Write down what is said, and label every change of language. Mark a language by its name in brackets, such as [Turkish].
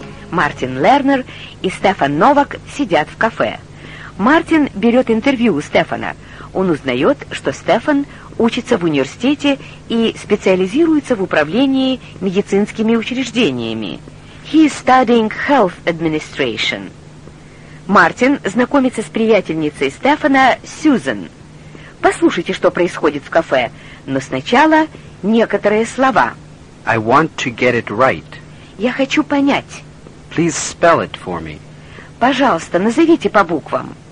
[Russian] Мартин Лернер и Стефан Новак сидят в кафе. Мартин берет интервью у Стефана. Он узнает, что Стефан учится в университете и специализируется в управлении медицинскими учреждениями. [English] He is studying health administration. [Russian] Мартин знакомится с приятельницей Стефана Сьюзен. Послушайте, что происходит в кафе, но сначала некоторые слова. [English] I want to get it right. [Russian] Я хочу понять. [English] Please spell it for me. [Russian] Пожалуйста, назовите по буквам.